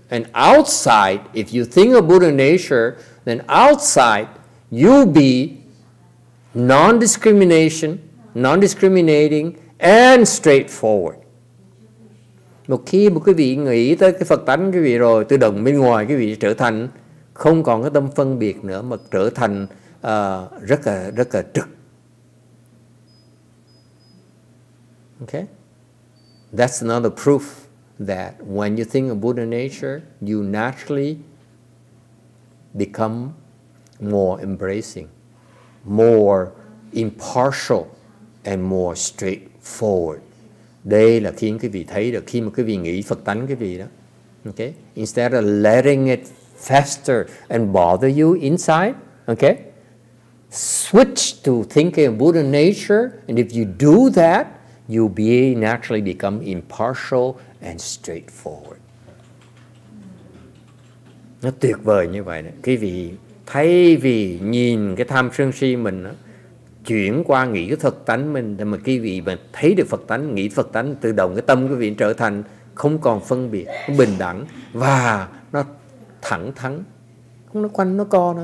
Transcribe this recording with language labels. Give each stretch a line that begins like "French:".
English: And outside, if you think of Buddha nature, then outside, you'll be non-discrimination, non-discriminating, and straightforward.
Vietnamese: Một khi mà quý vị nghĩ tới cái Phật tánh quý vị rồi, tự động bên ngoài quý vị trở thành không còn cái tâm phân biệt nữa, mà trở thành rất là trực.
English: Okay? That's another proof that when you think of Buddha nature, you naturally become more embracing, more impartial, and more straightforward.
Vietnamese: Đây là khi quý vị thấy được, khi mà quý vị nghĩ Phật tánh quý vị đó.
English: Okay? Instead of letting it fester and bother you inside, okay? Switch to thinking of Buddha nature, and if you do that, you'll be naturally become impartial and straightforward.
Vietnamese: Nó tuyệt vời như vậy đấy. Quý vị thay vì nhìn cái tham sân si mình đó, chuyển qua nghĩ cái Phật tánh mình, thì mà quý vị mà thấy được Phật tánh, nghĩ Phật tánh, tự động cái tâm quý vị trở thành không còn phân biệt, nó bình đẳng và nó thẳng thắn, không nó quanh nó co nữa.